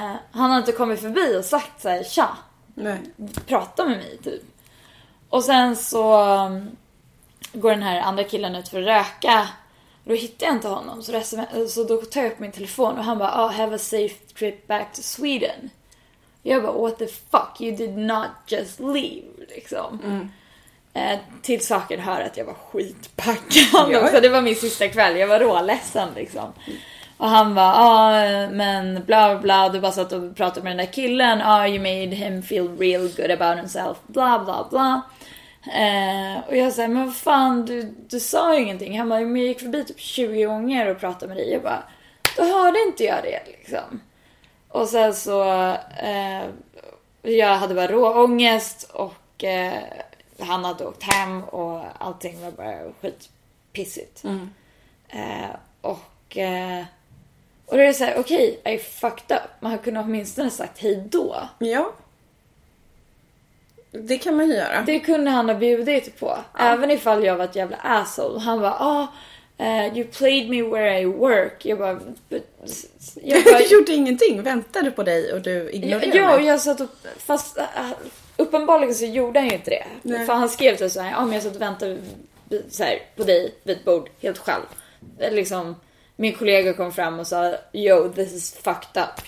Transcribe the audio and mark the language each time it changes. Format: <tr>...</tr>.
<sv>han har inte kommit förbi och sagt så här, tja, prata med mig typ. Och sen så går den här andra killen ut för att röka. Då hittar jag inte honom. Så då tar jag upp min telefon och han bara,</sv> <en>oh, have a safe trip back to Sweden.</en> <sv>Jag bara,</sv> <en>what the fuck, you did not just leave,</en> <sv>liksom. Mm. Till saken hör att jag var skitpackad också. Det var min sista kväll, jag var råledsen liksom. Och han var, men bla bla, du bara satt och pratade med den där killen.</sv> <en>You made him feel real good about himself, bla bla bla.</en> <sv>Och jag säger, men vad fan, du sa ju ingenting. Han bara, men jag gick förbi typ 20 gånger och pratade med dig. Jag bara, då hörde inte jag det liksom. Och sen så, jag hade bara råångest och han hade åkt hem och allting var bara skitpissigt. Mm. Och då är det så här, okej,</sv> <en>okay, I fucked up.</en> <sv>Man har kunnat åtminstone sagt hej då. Ja. Det kan man ju göra. Det kunde han ha bjudit på. Ja. Även ifall jag var ett jävla asshole. Han var,</sv> <en>you played me where I work.</en> <sv>Jag bara, jag gjorde ingenting. Väntade på dig och du ignorerade mig. Ja, jag satt och, fast uppenbarligen så gjorde han ju inte det. Nej. För han skrev till så här, men jag satt och väntade så här, på dig vid ett bord helt själv. Liksom... Min kollega kom fram och sa,</sv> <en>yo, this is fucked up.</en>